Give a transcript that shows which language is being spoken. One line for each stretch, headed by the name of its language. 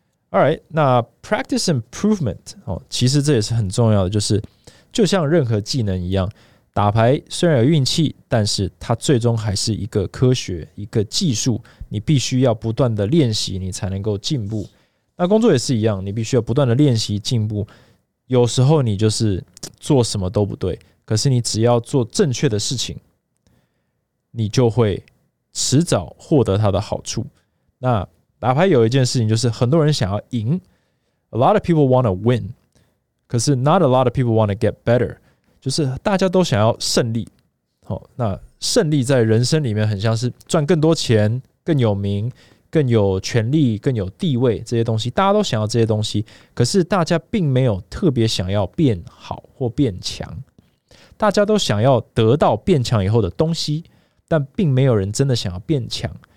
Chinese: All right， 那 practice improvement、哦、其实这也是很重要的，就是就像任何技能一样，打牌虽然有运气，但是它最终还是一个科学，一个技术，你必须要不断的练习，你才能够进步。那工作也是一样，你必须要不断的练习进步。有时候你就是做什么都不对，可是你只要做正确的事情，你就会迟早获得它的好处。那打牌有一件事情，就是很多人想要赢 ，
English: a lot of people want to win，
Chinese: 可是
English: not a lot of people want to get better，
Chinese: 就是大家都想要胜利。好，那胜利在人生里面很像是赚更多钱、更有名、更有权力、更有地位这些东西，大家都想要这些东西，可是大家并没有特别想要变好或变强，大家都想要得到变强以后的东西，但并没有人真的想要变强。